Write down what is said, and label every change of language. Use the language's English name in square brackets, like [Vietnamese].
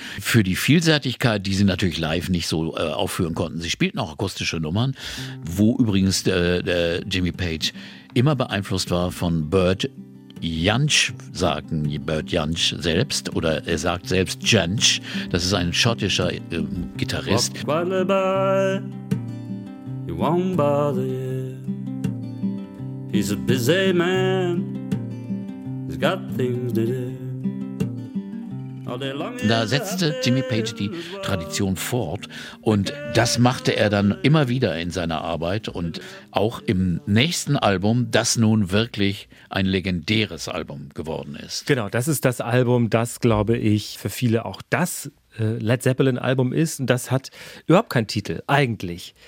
[German] Für die Vielseitigkeit, die sie natürlich live nicht so aufführen konnten. Sie spielten auch akustische Nummern, wo übrigens der Jimmy Page immer beeinflusst war von Bird. Jansch sagen, Bert Jansch selbst, oder er sagt selbst Jansch, das ist ein schottischer Gitarrist. [English] Walk quietly right by, he won't bother you. He's a busy man, he's got things to do. [German] Da setzte Jimmy Page die Tradition fort und das machte er dann immer wieder in seiner Arbeit und auch im nächsten Album, das nun wirklich ein legendäres Album geworden ist. Genau, das ist das Album, das, glaube ich, für viele auch das Led Zeppelin Album ist und das hat überhaupt keinen Titel, eigentlich.